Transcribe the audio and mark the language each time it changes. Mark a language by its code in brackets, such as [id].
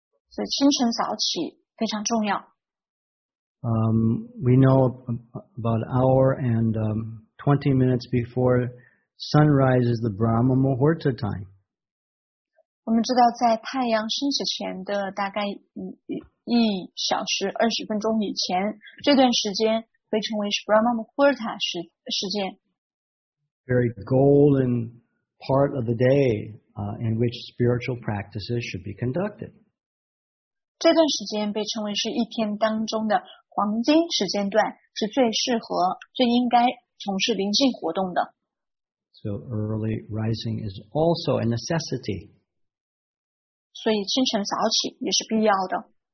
[zh] 所以清晨早起非常重要 [en] We know about an hour and 20 minutes before sunrise is the Brahma Muhurta time. [zh] 我们知道在太阳升起前的大概一小时二十分钟以前，这段时间被称为是 Brahma Muhurta 时间。 [en] Very golden part of the day in which spiritual practices should be conducted. [zh] 这段时间被称为是一天当中的黄金时间段是最适合、最应该从事灵性活动的。 [en] So early rising is also a necessity. [zh] 所以清晨早起也是必要的。